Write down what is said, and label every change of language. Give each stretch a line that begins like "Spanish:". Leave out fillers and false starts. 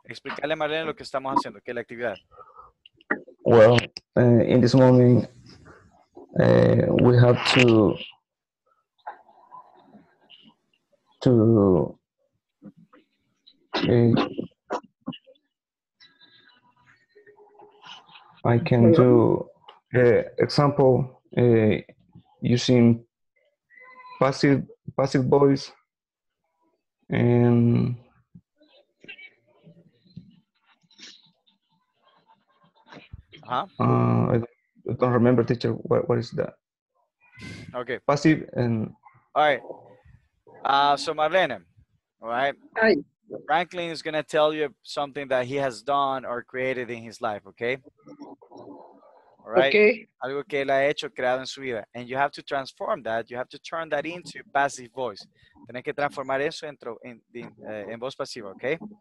Spanish: Explicarle a Marlene lo que estamos haciendo, okay, la actividad.
English: Well, in this moment, we have to do example using passive voice and. Huh? I don't remember, teacher. What is that? Okay. Passive and. All right. So Marlene, all right. Hi. Franklin is going to tell you something that he has done or created in his life, okay? All right? Okay.
Spanish: Algo que él ha hecho, creado en su vida.
English: And you have to transform that. You have to turn that into passive voice.
Spanish: Tienes que transformar eso en voz pasiva, okay?